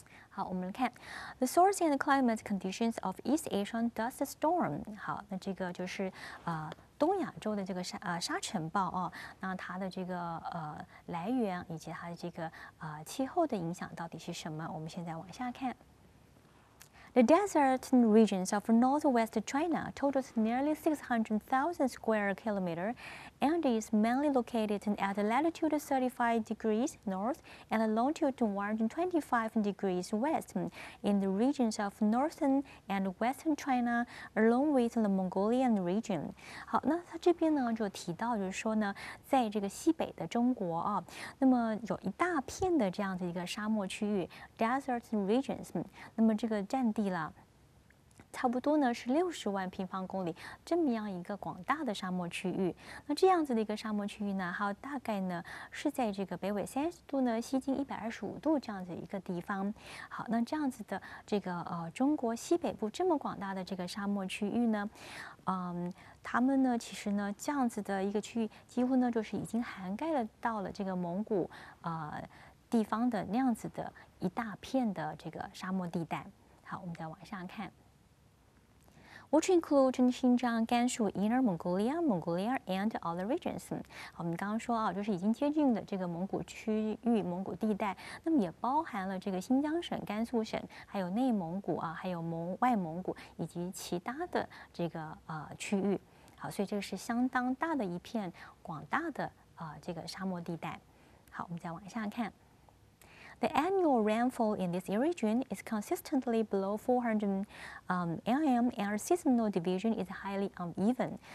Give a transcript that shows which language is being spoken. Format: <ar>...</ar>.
<zh>好，我们看</zh> <en>the source and climate conditions of East Asian dust storm.</en> <zh>好，那这个就是东亚洲的这个沙尘暴啊，那它的这个来源以及它的这个气候的影响到底是什么？我们现在往下看。</zh> <en>The desert regions of northwest China totals nearly 600,000 square kilometers and is mainly located at latitude 35 degrees north and longitude 125 degrees west in the regions of northern and western China along with the Mongolian region.</en> <zh>好，那他这边呢就提到就是说呢，在这个西北的中国啊，那么有一大片的这样的一个沙漠区域 desert regions， 那么这个占地差不多呢是60万平方公里这么样一个广大的沙漠区域，那这样子的一个沙漠区域呢，还有大概呢是在这个北纬30度呢西经125度这样子一个地方。好，那这样子的这个中国西北部这么广大的这个沙漠区域呢，他们呢其实呢这样子的一个区域几乎呢就是已经涵盖了到了这个蒙古地方的那样子的一大片的这个沙漠地带。好，我们再往下看。</zh> <en>which include Xinjiang, Gansu, Inner Mongolia, Mongolia, and other regions.</en> <zh>我们刚刚说啊，就是已经接近的这个蒙古区域、蒙古地带，那么也包含了这个新疆省、甘肃省，还有内蒙古啊，还有外蒙古以及其他的这个区域。好，所以这个是相当大的一片广大的这个沙漠地带。好，我们再往下看。</zh> <en>The annual rainfall in this region is consistently below 400 mm, and our seasonal division is highly uneven.</en>